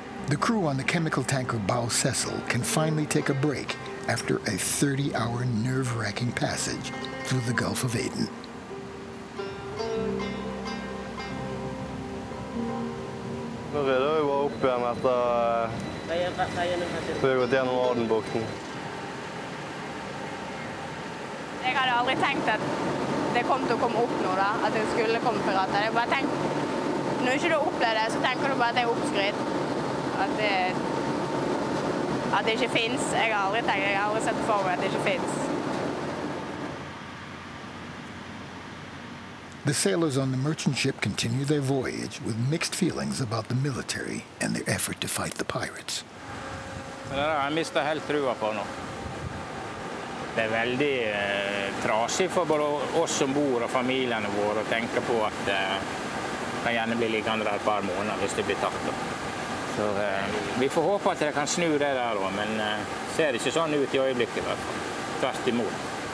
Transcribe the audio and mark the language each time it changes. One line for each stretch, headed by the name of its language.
English: The crew on the chemical tanker Bow Cecil can finally take a break after a 30-hour nerve-wracking passage through the Gulf of Aden.
Norwegian: Nå rydder vi bare opp igjen etter at vi har gått gjennom Adenbukten. Jeg hadde aldri tenkt at det kom til å komme opp noe, da, at det skulle komme pirater. Jeg bare tenkte, når ikke du opplever det, så tenker du bare at det er oppskritt. At det ikke finnes. Jeg har aldri tenkt, jeg har aldri sett for meg at det ikke finnes.
English: The sailors on the merchant ship continue their voyage with mixed feelings about the military and their effort to fight the pirates.
Norwegian: Jeg mister helt trua på nå. Det er veldig trasig for både oss som bor og familiene våre å tenke på at det kan gjerne bli liggende et par måneder hvis det blir tatt. Så vi får håpe at det kan snu det der, men ser ikke sånn ut i øyeblikket, tvert imot.